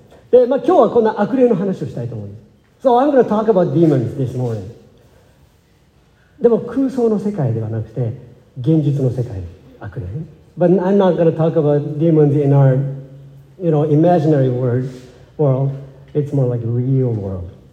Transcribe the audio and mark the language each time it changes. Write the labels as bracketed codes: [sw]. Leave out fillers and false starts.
[ja] で、まあ、今日はこんな悪霊の話をしたいと思うんです。 [en] So I'm going to talk about demons this morning. [ja] でも空想の世界ではなくて、現実の世界、悪霊。 [en] But I'm not going to talk about demons in our... You know, imaginary world, it's more like real world.